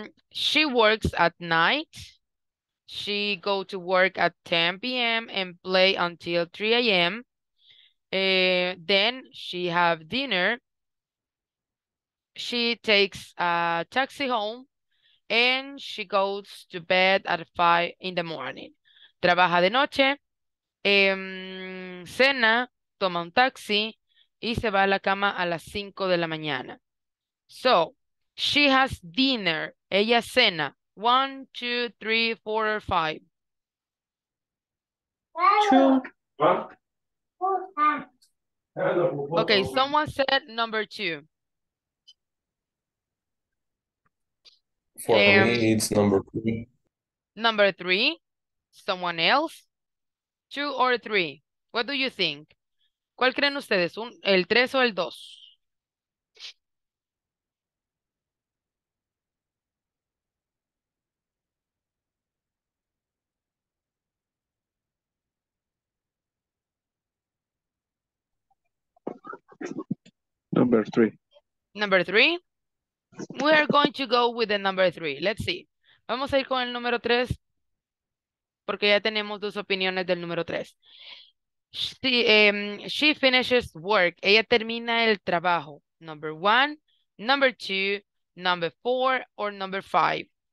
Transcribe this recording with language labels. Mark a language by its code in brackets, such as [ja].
[en] She works at night. She go to work at 10 p.m. and play until 3 a.m. Then she have dinner. She takes a taxi home and she goes to bed at 5 in the morning. [es] Trabaja de noche, cena, toma un taxi y se va a la cama a las 5 de la mañana. [en] So, she has dinner. [es] Ella cena. [en] 1, 2, 3, 4, or 5. 2. Okay, someone said number 2. For me, it's number 3. Number 3. Someone else? Two or three? What do you think? [es] ¿Cuál creen ustedes? ¿El tres o el dos? [en] Number three. Number three? We are going to go with the number three. Let's see. [es] Vamos a ir con el número tres. Porque ya tenemos dos opiniones del número tres. [en] She finishes work. [es] Ella termina el trabajo. [en] Number one, number two, number four, or number five.